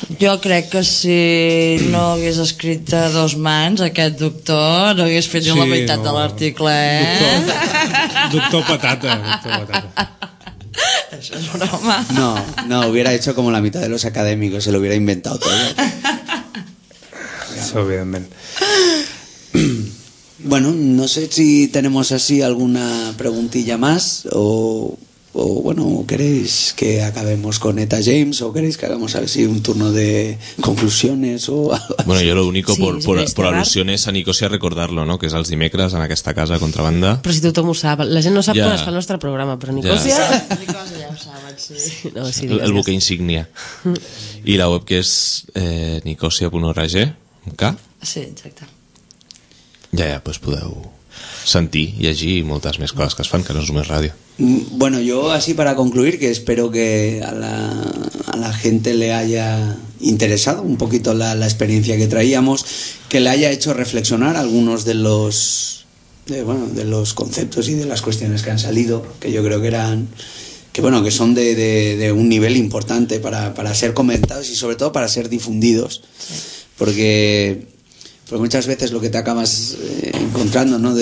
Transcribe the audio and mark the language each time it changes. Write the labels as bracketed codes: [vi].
[ca] Jo crec que si no hagués escrit a dos mans aquest doctor, no hagués fet ni la meitat de l'article, eh? Doctor patata, doctor patata. [es] Eso es broma. No, hubiera hecho como la mitad de los académicos, se lo hubiera inventado todo. Eso, obviamente. Bueno, no sé si tenemos así alguna preguntilla más o bueno, ¿queréis que acabemos con Etta James o queréis que hagamos así un turno de conclusiones o así? Bueno, yo lo único por alusiones a Nicosia recordarlo, ¿no? Que es [ca] els dimecres en aquesta casa Contrabanda. Però si tothom ho sap, la gent no sap quan es fa el nostre programa, però Nicosia ja ho saben, sí. [es] No, sí, el buque insignia. [ca] I la web que és nicosia.org, K. Sí, exacte. Ja, pues podeu sentir, llegir i moltes més coses que es fan, que no és només ràdio. [es] Bueno, yo así para concluir, que espero que a la gente le haya interesado un poquito la experiencia que traíamos, que le haya hecho reflexionar algunos de los conceptos y de las cuestiones que han salido, que yo creo que eran, que bueno, que son de un nivel importante para ser comentados y sobre todo para ser difundidos, porque muchas veces lo que te acabas encontrando, ¿no?